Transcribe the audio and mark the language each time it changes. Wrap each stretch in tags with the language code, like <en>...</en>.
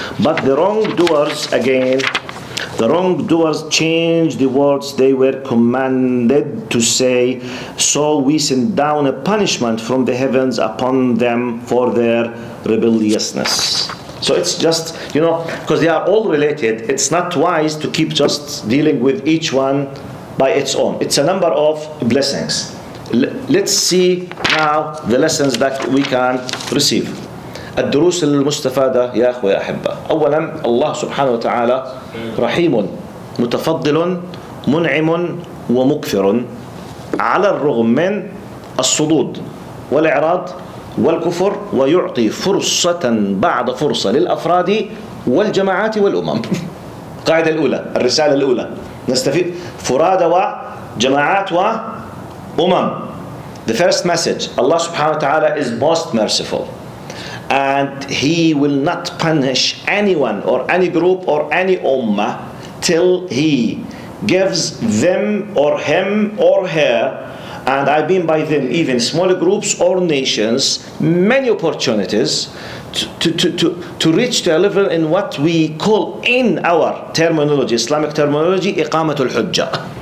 <en>But the wrongdoers, again, the wrongdoers changed the words they were commanded to say, so we send down a punishment from the heavens upon them for their rebelliousness. So it's just, you know, because they are all related, it's not wise to keep just dealing with each one by its own. It's a number of blessings. Let's see now the lessons that we can receive.</en> <ar>الدروس المستفادة يا أخوي أحبة. أولا الله سبحانه وتعالى رحيم متفضل منعم ومكفر على الرغم من الصدود والإعراض والكفر ويعطي فرصة بعد فرصة للأفراد والجماعات والأمم. قاعدة الأولى، الرسالة الأولى، نستفيد فرادة وجماعات وأمم.</ar> <en>The first message, Allah سبحانه وتعالى is most merciful. And he will not punish anyone or any group or any ummah till he gives them or him or her, and I mean by them even smaller groups or nations, many opportunities to reach to a level in what we call in our terminology, Islamic terminology, iqamatul hujja.</en>